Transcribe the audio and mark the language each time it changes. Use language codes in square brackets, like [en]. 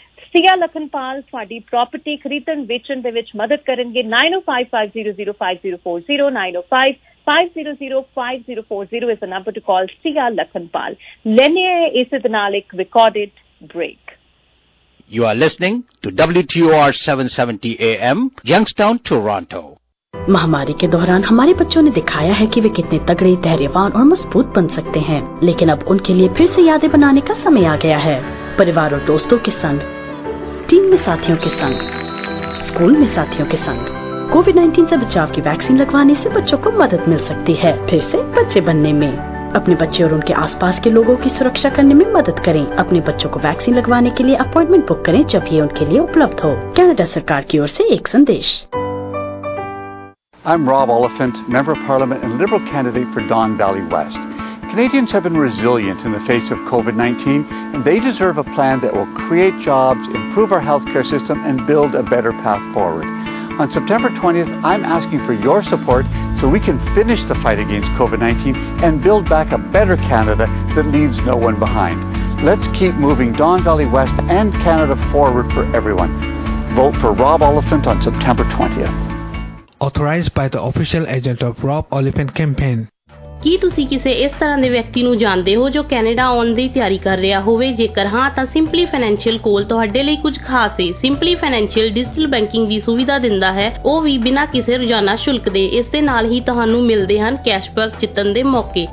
[pa] ਸੀਆ ਲਖਨਪਾਲ ਤੁਹਾਡੀ ਪ੍ਰਾਪਰਟੀ ਖਰੀਦਣ ਵੇਚਣ ਦੇ ਵਿੱਚ ਮਦਦ ਕਰਨਗੇ 905-500-5040 905-500-5040 ਇਸ ਨੰਬਰ ਟੂ ਕਾਲ ਸੀਆ ਲਖਨਪਾਲ ਲੈਣੇ ਹੈ ਇਸ ਦੇ ਨਾਲ ਇੱਕ recorded break [en] you are listening to WTOR 770 AM Youngstown Toronto [hi] महामारी के दौरान हमारे बच्चों ने दिखाया है कि वे कितने तगड़े धैर्यवान और मजबूत बन सकते हैं लेकिन अब उनके लिए फिर से यादें बनाने का समय आ गया है परिवार और दोस्तों के संग टीम में साथियों के संग स्कूल में साथियों के संग कोविड 19 से बचाव की वैक्सीन लगवाने से बच्चों को मदद मिल सकती है फिर से बच्चे बनने में अपने बच्चे और उनके आसपास के लोगों की सुरक्षा करने में मदद करें अपने बच्चों को वैक्सीन लगवाने के लिए अपॉइंटमेंट बुक करें जब ये उनके लिए उपलब्ध हो कनाडा सरकार की ओर से एक संदेश [en] I'm Rob Oliphant, Member of Parliament and Liberal candidate for Don Valley West. Canadians have been resilient in the face of COVID-19, and they deserve a plan that will create jobs, improve our healthcare system, and build a better path forward. On September 20th, I'm asking for your support so we can finish the fight against COVID-19 and build back a better Canada that leaves no one behind. Let's keep moving Don Valley West and Canada forward for everyone. Vote for Rob Oliphant on September 20th. Authorized by the official agent of Rob Oliphant campaign. [pa] ਕੀ ਤੁਸੀਂ ਕਿਸੇ ਇਸ ਤਰ੍ਹਾਂ ਦੇ ਵਿਅਕਤੀ ਨੂੰ ਜਾਣਦੇ ਹੋ ਜੋ ਕੈਨੇਡਾ ਆਉਣ ਦੀ ਤਿਆਰੀ ਕਰ ਰਿਹਾ ਹੋਵੇ? ਜੇਕਰ ਹਾਂ ਤਾਂ ਸਿੰਪਲੀ ਫਾਈਨੈਂਸ਼ੀਅਲ ਕੋਲ ਤੁਹਾਡੇ ਲਈ ਕੁਝ ਖਾਸ ਹੈ। ਸਿੰਪਲੀ ਫਾਈਨੈਂਸ਼ੀਅਲ ਡਿਜੀਟਲ ਬੈਂਕਿੰਗ ਦੀ ਸੁਵਿਧਾ ਦਿੰਦਾ ਹੈ, ਉਹ ਵੀ ਬਿਨਾਂ ਕਿਸੇ ਰੋਜ਼ਾਨਾ ਸ਼ੁਲਕ ਦੇ। ਇਸ ਦੇ ਨਾਲ ਹੀ ਤੁਹਾਨੂੰ ਮਿਲਦੇ ਹਨ ਕੈਸ਼ਬੈਕ ਜਿੱਤਣ ਦੇ ਮੌਕੇ।